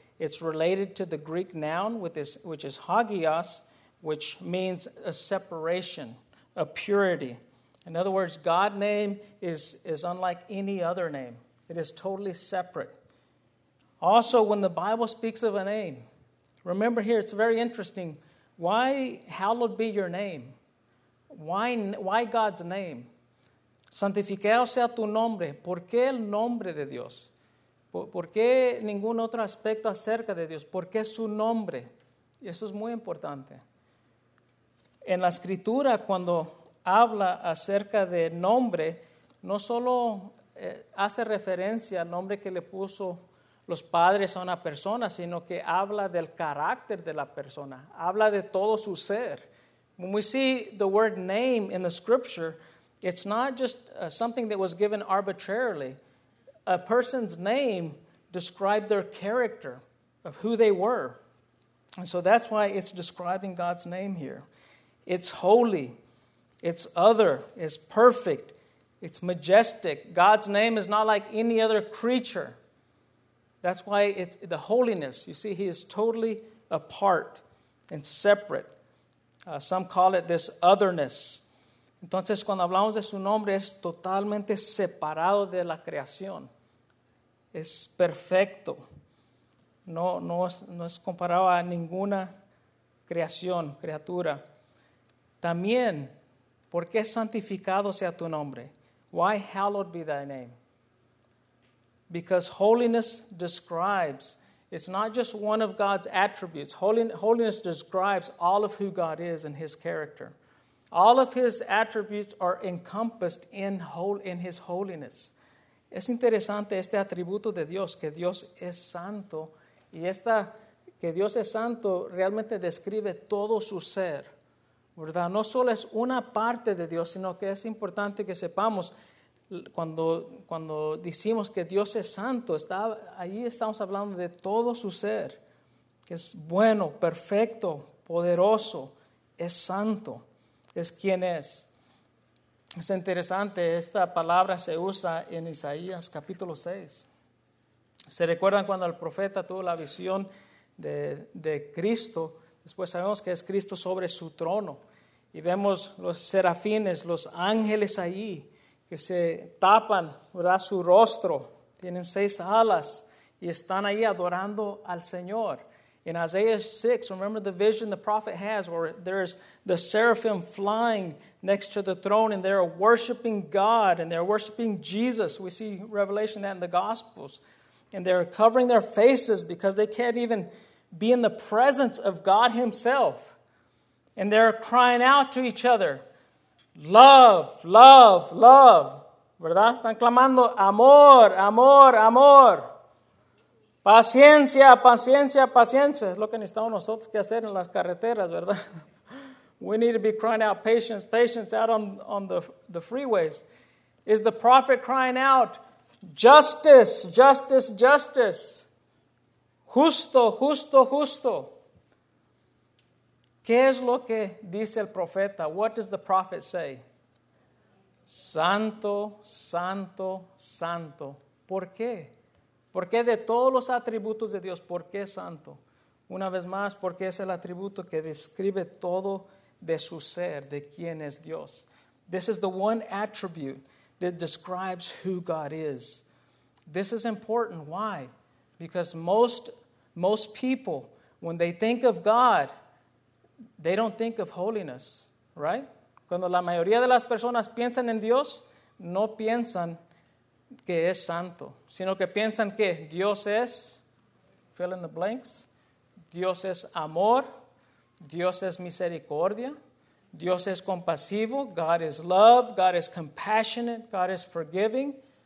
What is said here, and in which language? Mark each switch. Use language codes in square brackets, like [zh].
[en] It's related to the Greek noun, which is hagios, which means a separation, a purity. In other words, God's name is unlike any other name. It is totally separate. Also, when the Bible speaks of a name, remember here, it's very interesting. Why hallowed be your name? Why God's name? [es] Santificado sea tu nombre. ¿Por qué el nombre de Dios? ¿Por qué ningún otro aspecto acerca de Dios? ¿Por qué su nombre? Y eso es muy importante. En la escritura, cuando habla acerca de nombre, no solo hace referencia al nombre que le puso los padres a una persona, sino que habla del carácter de la persona, habla de todo su ser. [en] When we see the word name in the scripture, it's not just something that was given arbitrarily. A person's name described their character of who they were. And so that's why it's describing God's name here. It's holy. It's other. It's perfect. It's majestic. God's name is not like any other creature. That's why it's the holiness. You see, he is totally apart and separate. Some call it this otherness. [es] Entonces, cuando hablamos de su nombre, es totalmente separado de la creación. Es perfecto. No es comparado a ninguna creación, criatura. También, ¿por qué santificado sea tu nombre? [en] Why hallowed be thy name? Because holiness describes, it's not just one of God's attributes. Holiness describes all of who God is and his character. All of his attributes are encompassed in his holiness. [es] Es interesante este atributo de Dios, que Dios es santo. Y esta, que Dios es santo, realmente describe todo su ser, ¿verdad? No solo es una parte de Dios, sino que es importante que sepamos, cuando decimos que Dios es santo, ahí estamos hablando de todo su ser, que es bueno, perfecto, poderoso, es santo, es quien es. Es interesante, esta palabra se usa en Isaías capítulo 6. ¿Se recuerdan cuando el profeta tuvo la visión de Cristo? Después sabemos que es Cristo sobre su trono. Y vemos los serafines, los ángeles allí, que se tapan, ¿verdad?, su rostro. Tienen 6 alas y están ahí adorando al Señor. [en] In Isaiah 6, remember the vision the prophet has, where there's the seraphim flying next to the throne, and they're worshiping God, and they're worshiping Jesus. We see revelation that in the Gospels. And they're covering their faces because they can't even be in the presence of God himself. And they're crying out to each other, Love, love, love. [es] ¿Verdad? Están clamando amor, amor, amor. Paciencia, paciencia, paciencia. Es lo que necesitamos nosotros que hacer en las carreteras, ¿verdad? [en] We need to be crying out patience, patience out on the freeways. Is the prophet crying out justice, justice, justice? [es] Justo, justo, justo. ¿Qué es lo que dice el profeta? [en] What does the prophet say? [es] Santo, santo, santo. ¿Por qué? ¿Por qué de todos los atributos de Dios? ¿Por qué santo? Una vez más, porque es el atributo que describe todo de su ser, de quién es Dios. [en] This is the one attribute that describes who God is. This is important. Why? Because most people, when they think of God, they don't think of holiness, right? [es] Cuando la mayoría de las personas piensan en Dios, no piensan que es santo, sino que piensan que Dios es, [en] fill in the blanks, [es] Dios es amor, Dios es misericordia, Dios es compasivo, [en] God is love, God is compassionate, God is forgiving.